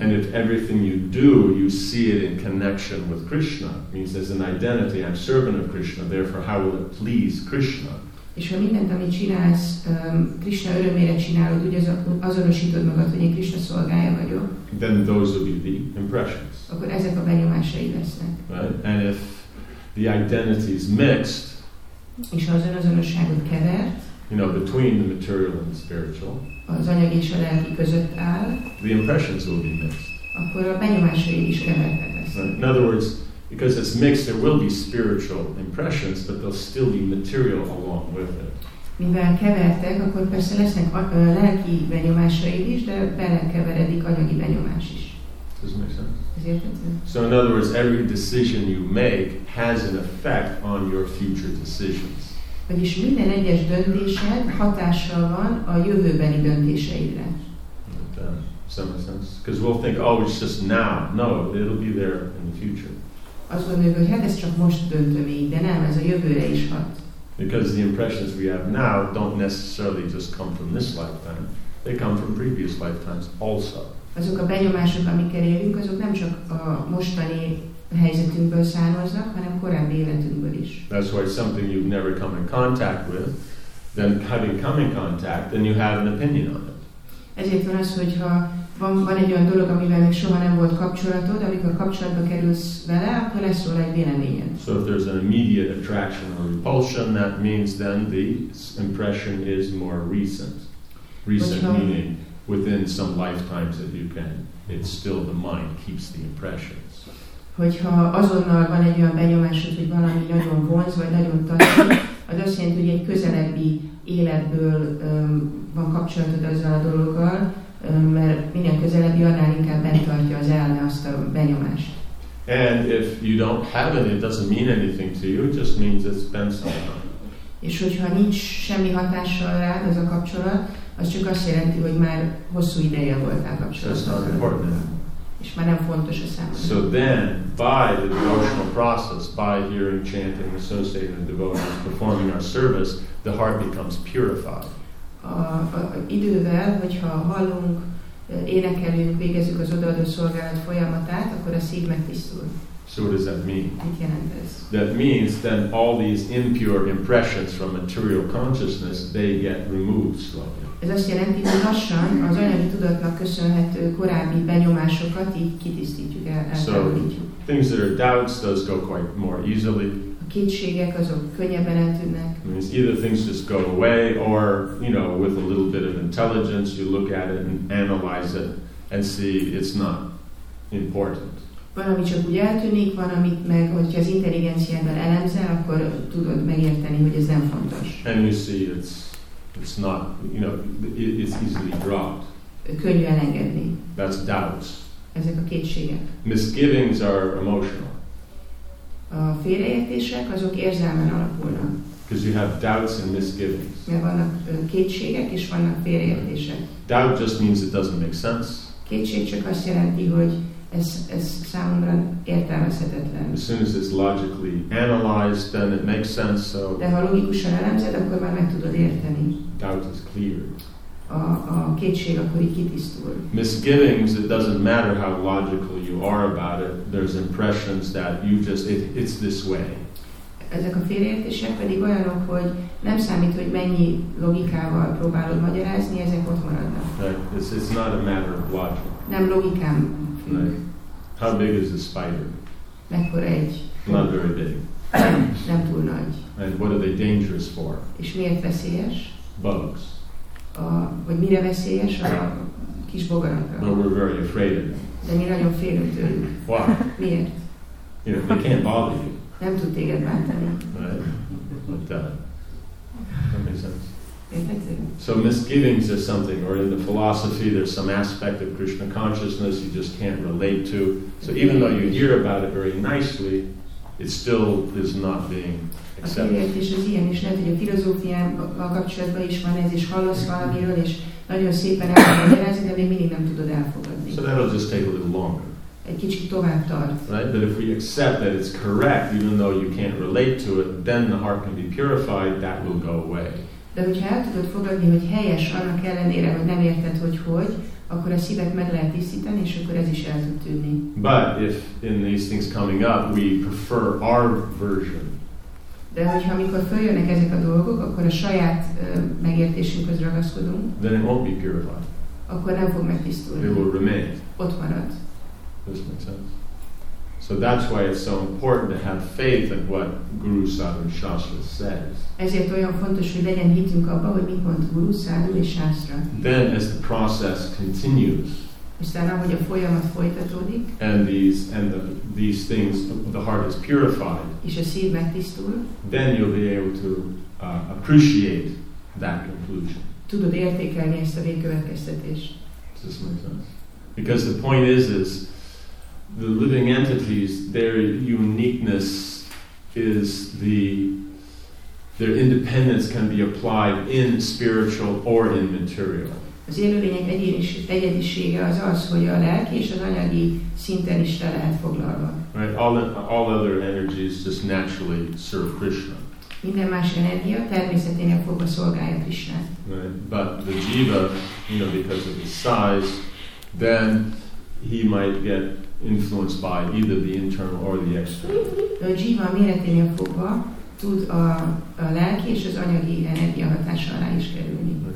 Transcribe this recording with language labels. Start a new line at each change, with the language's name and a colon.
English: And if everything you do, you see it in connection with Krishna, means there's an identity, I'm servant of Krishna, therefore how will it please Krishna?
Hungarian: És ha mindent, amit csinálsz, Krishna örömére csinálod, úgy azonosítod magad, hogy én Krishna szolgája vagyok.
English: Then those will be the impressions.
Hungarian: Akkor ezek a benyomásai lesznek.
English: Right? And if the identity is mixed,
Hungarian: és ha az önazonosságot kevert,
English: you know, between the material and the spiritual,
Hungarian: az anyagi és a lelki között áll,
English: the impressions will be mixed.
Hungarian: Akkor a benyomásai is kevertek lesznek.
English: Right? In other words, because it's mixed, there will be spiritual impressions, but there'll still be material along with it.
Hungarian: Mivel kevertek, akkor persze lesznek lelki benyomásaid is, de belekeveredik anyagi benyomás is.
English: Does it make sense? So in other words, every decision you make has an effect on your future decisions.
Hungarian: Vagyis minden egyes döntésed hatással van a jövőbeni döntéseidre.
English: Does that make sense? Because we'll think, oh, it's just now. No, it'll be there in the future.
Hungarian: Azt gondoljuk, hogy hát ezt csak most döntöm így, de nem, ez a jövőre is hat.
English: Because the impressions we have now don't necessarily just come from this lifetime. They come from previous lifetimes also.
Hungarian: azok a benyomások, amikkel élünk, azok nem csak a mostani helyzetünkből származnak, hanem korábbi életünkből is.
English: That's why something you've never come in contact with, then having come in contact, then you have an opinion on it.
Hungarian: Ezért van az, hogyha van egy olyan dolog, amivel még soha nem volt kapcsolatod, amikor kapcsolatba kerülsz vele, akkor lesz róla egy véleményed.
English: So if there's an immediate attraction or repulsion, that means then the impression is more recent. Recent meaning within some lifetimes that you can, it's still the mind keeps the impressions.
Hungarian: Hogyha azonnal van egy olyan benyomásod, hogy valami nagyon vonz, vagy nagyon tartani, az azt jelenti, hogy egy közelebbi életből van kapcsolatod azzal a dologgal, mert minél közelebbi, annál inkább bentartja az elme azt a benyomást. And if you don't have it, it doesn't mean anything to you, it just means it's been somehow. És hogyha nincs semmi hatással rád az a kapcsolat, az csak azt jelenti, hogy már hosszú ideje voltál kapcsolatban. És már nem fontos a számodra.
English: So then, by the devotional process, by hearing, chanting, associating with devotees, performing our service, the heart becomes purified.
Hungarian: Idővel, hogyha hallunk, énekelünk, végezzük az odaadó szolgálat folyamatát, akkor a szív megtisztul.
English: So what does that mean?
Hungarian: Mit jelent ez?
English: That means then all these impure impressions from material consciousness, they get removed slowly.
Hungarian: Ez azt jelenti, hogy lassan az anyagi tudatnak köszönhető korábbi benyomásokat így kitisztítjuk, eltávolítjuk.
English: So, things that are doubts, those go quite more easily.
Hungarian: A kétségek, azok könnyebben eltűnnek.
English: I mean, either things just go away, or, you know, with a little bit of intelligence, you look at it and analyze it, and see it's not important.
Hungarian: Van, ami csak úgy eltűnik, van, amit meg, hogyha az intelligenciával elemzel, akkor tudod megérteni, hogy ez nem fontos.
English: And you see it's not, you know, it's easily dropped.
Hungarian: Könnyű elengedni.
English: That's doubts.
Hungarian: Ezek a kétségek.
English: Misgivings are emotional.
Hungarian: A félreértések, azok érzelmen alapulnak.
English: Because you have doubts and misgivings.
Hungarian: Mert vannak kétségek és vannak félreértések.
English: Doubt just means it doesn't make sense.
Hungarian: Kétség csak azt jelenti, hogy ez számomra értelmezhetetlen.
English: As soon as it's logically analyzed, then it makes sense, so...
Hungarian: De ha logikusan elemzed, akkor már meg tudod érteni.
English: Doubt is clear.
Hungarian: A kétség akkor így kitisztul.
English: Misgivings, it doesn't matter how logical you are about it, there's impressions that you just, it's this way.
Hungarian: Ezek a félreértések pedig olyanok, hogy nem számít, hogy mennyi logikával próbálod magyarázni, ezek ott maradnak.
English: Right. It's not a matter of logic.
Hungarian: Nem logikám.
English: Like, how big is the spider?
Hungarian: Mekkora egy?
English: Not very big.
Hungarian: Nem túl nagy.
English: And what are they dangerous for?
Hungarian: És miért veszélyes?
English: Bugs.
Hungarian: Vagy mire veszélyes? A kis bogarakra.
English: But we're very afraid of them.
Hungarian: De mi nagyon félünk tőlük.
English: Why?
Hungarian: Miért?
English: You know, they can't bother you.
Hungarian: Nem tud téged bántani.
English: Right? That makes sense.
Hungarian: Érthető.
English: So misgivings is something, or in the philosophy there's some aspect of Krishna consciousness you just can't relate to. So even though you hear about it very nicely, it still is not being accepted.
Hungarian: A félreértés az ilyen is, lehet, hogy a filozófiával kapcsolatban is van ez, és hallasz valamiről, és nagyon szépen el kell magyarázni, de még mindig nem tudod elfogadni.
English: So that'll just take a little longer.
Hungarian: Egy kicsit tovább tart.
English: Right? But if we accept that it's correct, even though you can't relate to it, then the heart can be purified, that will go away.
Hungarian: De hogyha el tudod fogadni, hogy helyes annak ellenére, hogy nem érted, hogy, akkor a szívet meg lehet tisztítani, és akkor ez is el tud tűnni.
English: But if in these things coming up, we prefer our version.
Hungarian: De hogyha amikor följönnek ezek a dolgok, akkor a saját megértésünkhöz ragaszkodunk.
English: Then it won't be purified.
Hungarian: Akkor nem fog megtisztulni.
English: It will remain.
Hungarian: Ott marad.
English: This makes sense. So that's why it's so important to have faith in what Guru Sadhu Shastra says.
Hungarian: Ezért olyan fontos, hogy legyen hitünk abba, hogy mit mond Guru Sadhu és Shastra.
English: Then as the process continues,
Hungarian: aztán, ahogy a folyamat folytatódik,
English: and these things, the heart is purified,
Hungarian: és a szív megtisztul,
English: then you'll be able to appreciate that conclusion.
Hungarian: Tudod értékelni ezt a végkövetkeztetést.
English: Does this make sense? Because the point is, the living entities, their uniqueness is their independence can be applied in spiritual or in material.
Hungarian: Az élőlények egyedisége az az, hogy a lelki és az anyagi szinten is le lehet foglalva.
English: Right, all other energies just naturally serve Krishna.
Hungarian: Minden más energia természeténél fogva szolgálja Krishna.
English: Right, but the jiva, you know, because of his size, then he might get influenced by either the internal or the external.
Hungarian: A jiva méreténél fogva tud a lelki és az anyagi energia hatása alá is kerülni.